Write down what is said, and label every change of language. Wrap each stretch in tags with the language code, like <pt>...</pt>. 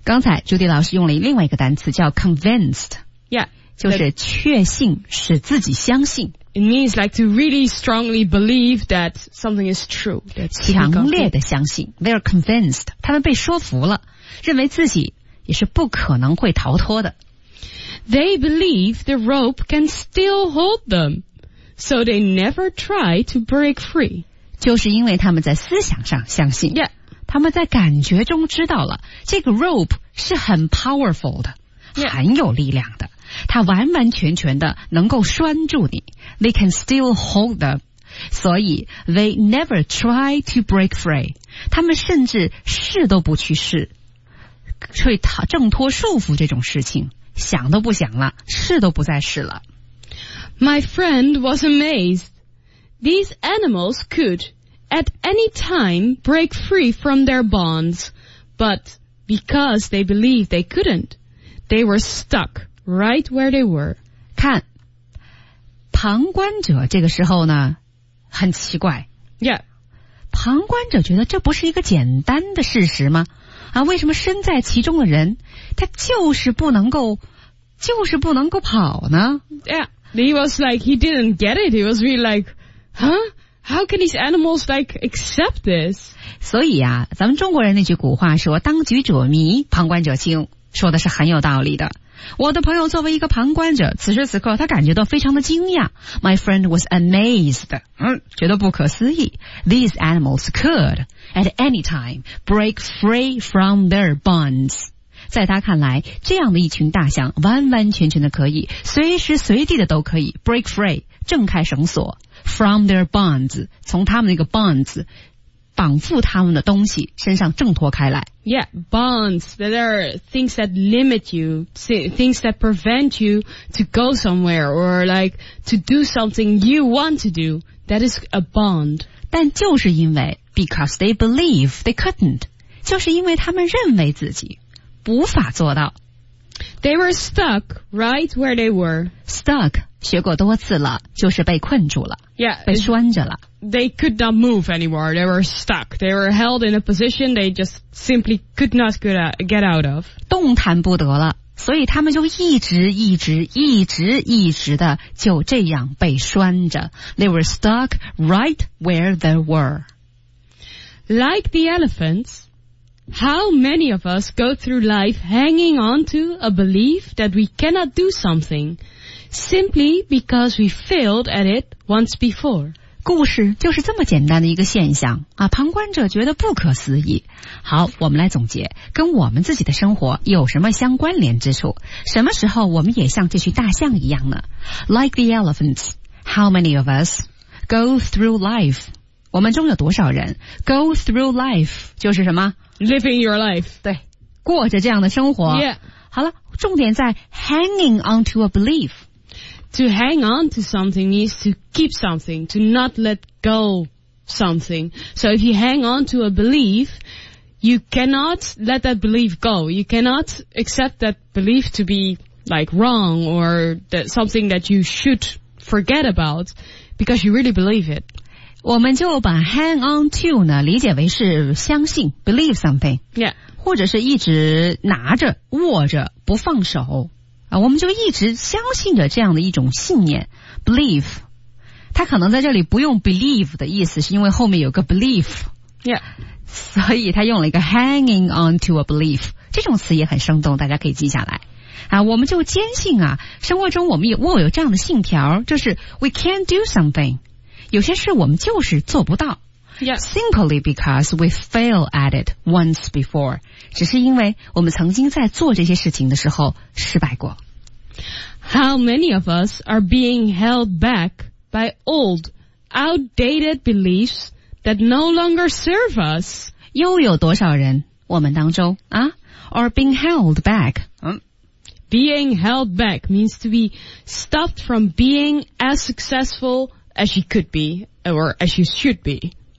<zh>刚才朱迪老师用了另外一个单词叫 convinced</zh> <en>Yeah</en> <zh>就是确信使自己相信</zh> <en>It means like to really strongly believe that something is true</en> <zh>强烈的相信</zh> <en>They are convinced</en> <zh>他们被说服了认为自己也是不可能会逃脱的</zh> <en>They believe the rope can still hold them So they never try to break free</en> <zh>就是因为他们在思想上相信</zh> <en>Yeah</en> <zh>他们在感觉中知道了这个 rope 是很 powerful 的、</zh> <en>yeah.</en> <zh>很有力量的它完完全全的能够拴住你</zh> <en>They can still hold them</en> <zh>所以</zh> <en>They never try to break free</en> <zh>他们甚至试都不去试去挣脱束缚这种事情想都不想了试都不再试了</zh> <en>My friend was amazed These animals could at any time break free from their bonds But because they believed they couldn't They were stuck right where they were.</en> <zh>看，旁观者这个时候呢，很奇怪。</zh> <en>Yeah.</en> <zh>旁观者觉得这不是一个简单的事实吗？啊，为什么身在其中的人，他就是不能够，就是不能够跑呢？</zh> <en>Yeah. He was like, he didn't get it. He was really like, huh? How can these animals like accept this?</en> <zh>所以啊，咱们中国人那句古话说当局者迷旁观者清，说的是很有道理的。我的朋友作为一个旁观者，此时此刻他感觉到非常的惊讶。</zh> <en>My friend was amazed.</en> <zh>觉得不可思议。</zh> <en>These animals could at any time break free from their bonds.</en> <zh>在他看来，这样的一群大象完完全全的可以随时随地的都可以</zh> <en>break free,</en> <zh>挣开绳索。</zh> <en>From their bonds,</en> <zh>从他们那个 bonds, 绑缚他们的东西身上挣脱开来。</zh> <en>Yeah, bonds, there are things that limit you, things that prevent you to go somewhere or like to do something you want to do, that is a bond.</en> <zh>但就是因为</zh> <en>because they believe they couldn't,</en> <zh>就是因为他们认为自己无法做到。</zh> <en>They were stuck right where they were. Stuck.</en> <zh>学过多次了，就是被困住了，</zh> <en>yeah,</en> <zh>被拴着了。</zh> <en>They could not move anymore. They were stuck. They were held in a position they just simply could not get out of.</en> <zh>动弹不得了，所以他们就一直一直一直一直的就这样被拴着。</zh> <en>They were stuck right where they were. Like the elephants, how many of us go through life hanging on to a belief that we cannot do something? Simply because we failed at it once before.</en> <zh>故事就是这么简单的一个现象啊！旁观者觉得不可思议。好，我们来总结，跟我们自己的生活有什么相关联之处？什么时候我们也像这群大象一样呢？</zh> <en>Like the elephants, how many of us go through life?</en> <zh>我们中有多少人</zh> <en>go through life?</en> <zh>就是什么</zh> <en>living your life?</en> <zh>对，过着这样的生活。</zh> <en>Yeah.</en> <zh>好了，重点在</zh> <en>hanging onto a belief. To hang on to something means to keep something, to not let go something. So if you hang on to a belief, you cannot let that belief go. You cannot accept that belief to be like wrong or that something that you should forget about because you really believe it.</en> <zh>我们就把</zh> <en>hang on to</en> <zh>呢理解为是相信</zh> <en>believe something. Yeah.</en> <zh>或者是一直拿着握着不放手啊，我们就一直相信着这样的一种信念 belief。他可能在这里不用 believe 的意思是因为后面有个 belief、</zh> <en>yeah.</en> <zh>所以他用了一个</zh> <en>hanging on to a belief，</en> <zh>这种词也很生动，大家可以记下来啊。我们就坚信啊，生活中我们握有这样的信条，就是</zh> <en>we can't do something，</en> <zh>有些事我们就是做不到。</zh> <en>Yeah. Simply because we failed at it once before.</en> <zh>只是因为我们曾经在做这些事情的时候失败过。</zh> <en>How many of us are being held back by old, outdated beliefs that no longer serve us?</en> <zh>又有多少人我们当中啊</zh> <en>are being held back?、 Being held back means to be stopped from being as successful as you could be or as you should be.</en>